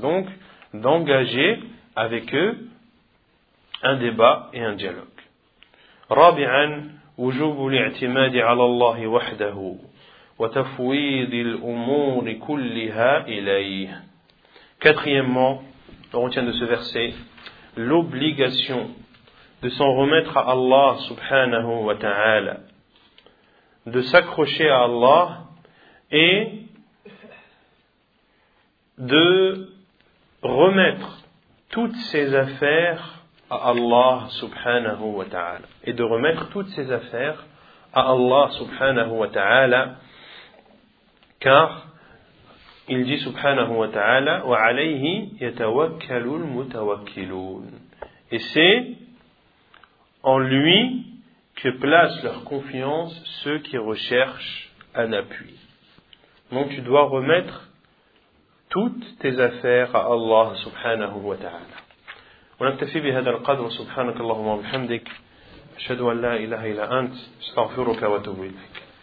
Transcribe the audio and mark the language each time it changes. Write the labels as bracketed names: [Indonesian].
[French] Donc, d'engager avec eux un débat et un dialogue. [Arabic] رابعا وجوب الاعتماد على الله وحده وتفويض الأمور كلها إليه. [French] Quatrièmement, on retient de ce verset l'obligation de s'en remettre à Allah subhanahu wa ta'ala, de s'accrocher à Allah et de remettre toutes ses affaires à Allah subhanahu wa ta'ala. Et de remettre toutes ses affaires à Allah subhanahu wa ta'ala, car il dit subhanahu wa ta'ala, [Arabic] wa alayhi yatawakkalu al-mutawakkilun. [French] Et c'est en lui que placent leur confiance ceux qui recherchent un appui. Donc tu dois remettre toutes tes affaires à Allah subhanahu wa ta'ala. [Arabic] ونكتفي بهذا القدر سبحانك اللهم وبحمدك أشهد أن لا إله إلا أنت أستغفرك وأتوب إليك.